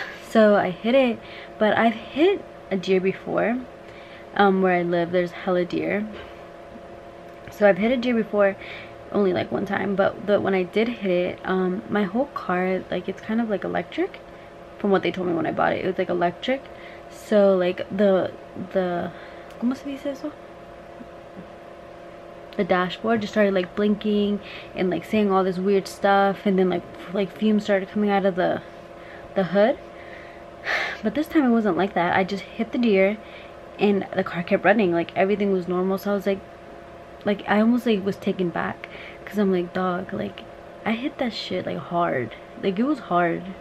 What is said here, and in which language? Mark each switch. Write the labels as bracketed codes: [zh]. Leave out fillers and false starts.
[en] So I hit it, but I've hit a deer before. Where I live there's hella deer, so I've hit a deer before, only like one time, but when I did hit it, my whole car, like it's kind of like electric from what they told me when I bought it, it was like electric. So like the [es] ¿cómo se dice eso? [en] The dashboard just started like blinking and like saying all this weird stuff, and then like fumes started coming out of the hood. But this time it wasn't like that. I just hit the deer and the car kept running, like everything was normal. So I was like I almost like was taken back, because I'm like, dog, like I hit that shit like hard, like it was hard.